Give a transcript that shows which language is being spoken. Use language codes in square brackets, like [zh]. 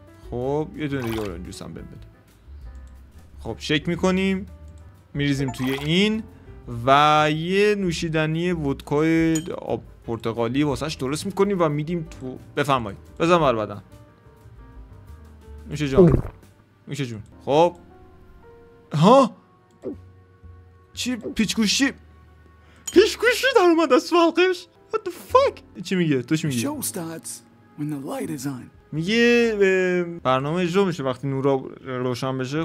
[fa] خب یه دونه دیگه اورنج جوس هم بده. خب شیک میکنیم، میریزیم توی این و یه نوشیدنی ودکای آب پرتقالی واسهش درست میکنیم و میدیم تو. بفرمایید، بزن بر بدن. میشه جان؟ میشه جون. خب ها؟ چی؟ پیچ گوشی در اومد از فالقش؟ [en] What the fuck؟ [fa] چی میگه؟ تو چی میگه؟ [en] Show starts when the light is on. [fa] میگه برنامه اجرا میشه وقتی نورا روشن بشه.